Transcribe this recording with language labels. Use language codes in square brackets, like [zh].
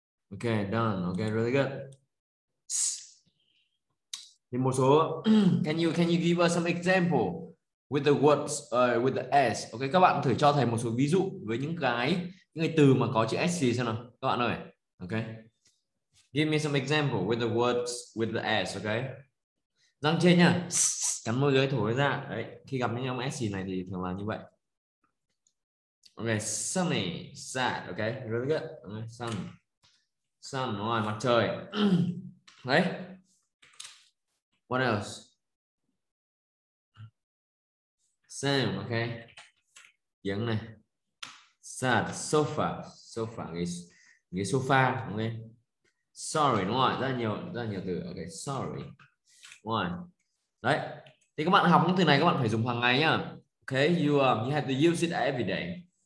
[en] Ok, done. Ok, really good. [vi] Thì một số [en] can you give us some example with the words with the s. [vi] Ok, các bạn thử cho thầy một số ví dụ với những cái từ mà có chữ s gì xem nào các bạn ơi. [en] Ok, give me some example with the words with the s. [vi] Ok, răng trên nha, cắn môi dưới thổi ra đấy, khi gặp những ông s gì này thì thường là như vậy. [en] Ok, sunny, sad. Ok, really good. Okay. [vi] sun ngoài mặt trời đấy. [en] What else? Same, okay. [vi] Giường này. [en] Sad, sofa. Sofa, ghế sofa, okay. Sorry, đúng không? [vi] Rất nhiều từ, okay, sorry. Đúng không? Đấy. Thì các bạn học những từ này các bạn phải dùng hàng ngày nhá. [en] Okay, you have to use it every day.